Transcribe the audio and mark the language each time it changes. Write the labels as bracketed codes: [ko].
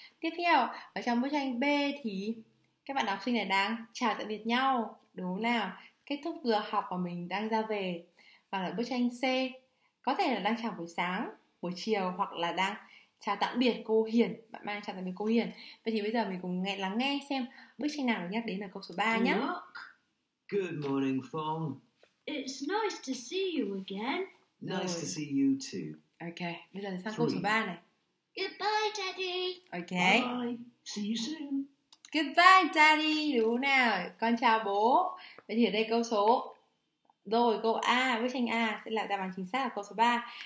[vi] Tiếp theo, ở trong bức tranh B thì các bạn học sinh này đang chào tạm biệt nhau đúng không nào? Kết thúc vừa học và mình đang ra về. Và ở bức tranh C có thể là đang chào buổi sáng, buổi chiều hoặc là đang chào tạm biệt cô Hiền, bạn Mai chào tạm biệt cô Hiền. Vậy thì bây giờ mình cùng lắng nghe xem bức tranh nào được nhắc đến ở câu số 3 nhé. [en] Good morning, Fong. It's nice to see you again. Nice to see you too. [vi] Okay, bây giờ sang câu số 3 này. [en] Goodbye, Daddy. Okay. Bye. See you soon. Goodbye, Daddy. [vi] Đúng nào, con chào bố. Vậy thì ở đây câu số rồi câu A, bức tranh A sẽ là đáp án chính xác ở câu số 3.